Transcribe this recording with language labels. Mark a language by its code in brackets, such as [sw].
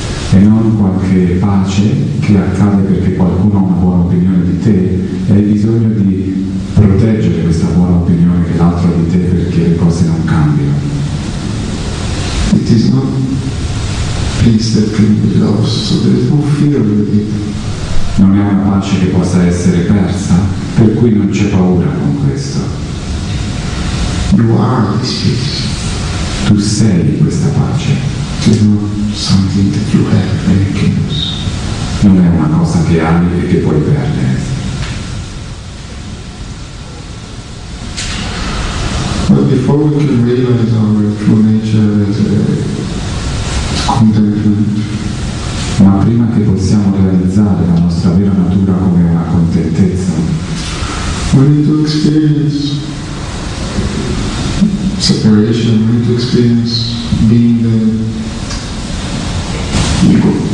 [it] E non qualche pace che accade perché qualcuno ha una buona opinione di te e hai bisogno di proteggere questa buona opinione che l'altro ha di te perché le cose non cambiano. [en] It is not peace that can be lost, so there is no fear with it. [it] Non è una pace che possa essere persa, per cui non c'è paura con questo. [en] You are this peace. [it] Tu sei questa pace. [en] It's not something that you have and you can lose. [it] Non è una cosa che hai e che puoi perdere. [en] But before we can realize our true nature as contentment, [it] ma prima che possiamo realizzare la nostra vera natura come una contentezza, [en] we need to experience separation, we need to experience being the ego.